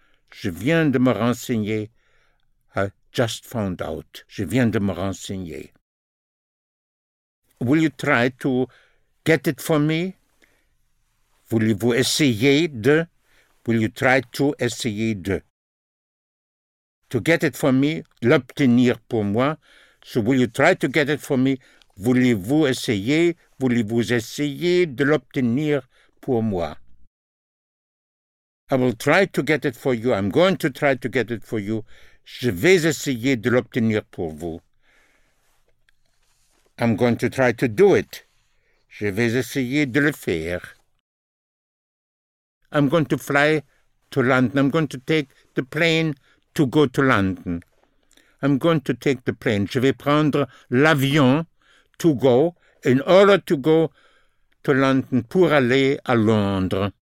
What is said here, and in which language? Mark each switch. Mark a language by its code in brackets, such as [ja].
[fr] Je viens de me renseigner. [en] I just found out. [fr] Je viens de me renseigner. [en] Will you try to get it for me? [fr] Voulez-vous essayer de? [en] Will you try to [fr] essayer de? [en] To get it for me, [fr] l'obtenir pour moi. [en] So will you try to get it for me? [fr] Voulez-vous essayer? Voulez-vous essayer de l'obtenir pour moi? [en] I will try to get it for you. I'm going to try to get it for you. [fr] Je vais essayer de l'obtenir pour vous. [en] I'm going to try to do it. [fr] Je vais essayer de le faire. [en] I'm going to fly to London. I'm going to take the plane to go to London. I'm going to take the plane. [fr] Je vais prendre l'avion [en] to go, in order to go to London, [fr] pour aller à Londres.